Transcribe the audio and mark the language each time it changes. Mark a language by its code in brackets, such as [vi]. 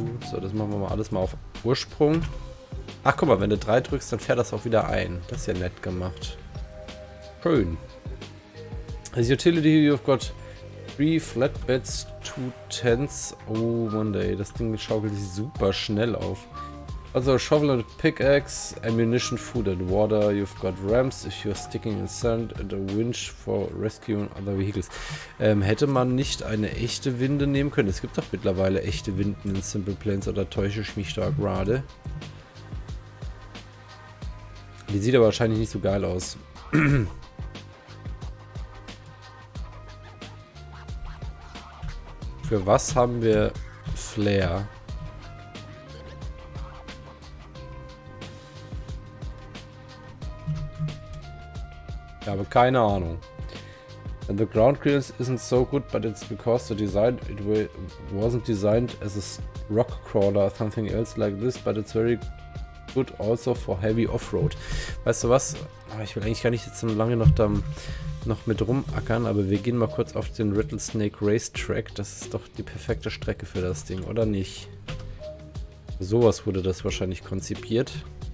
[de] So, das machen wir mal alles mal auf Ursprung. Ach, guck mal, wenn du 3 drückst, dann fährt das auch wieder ein. Das ist ja nett gemacht. Schön. Das Utility, [en] you've got 3 Flatbeds. Two tents. [de] Oh Mann, ey, das Ding schaukelt sich super schnell auf. [en] Also shovel and pickaxe, ammunition, food and water. You've got ramps if you're sticking in sand and a winch for rescuing other vehicles. [de] Hätte man nicht eine echte Winde nehmen können? Es gibt doch mittlerweile echte Winden in Simple Plains, oder täusche ich mich da gerade? Die sieht aber wahrscheinlich nicht so geil aus. Für was haben wir Flair? Ich habe keine Ahnung. [en] And the ground clearance isn't so good, but it's because the design wasn't designed as a rock crawler or something else like this, but it's very good also for heavy offroad. [de] Weißt du was? Ich will eigentlich gar nicht jetzt so lange noch da noch mit rumackern, aber wir gehen mal kurz auf den Rattlesnake Racetrack. Das ist doch die perfekte Strecke für das Ding, oder nicht? Für sowas wurde das wahrscheinlich konzipiert.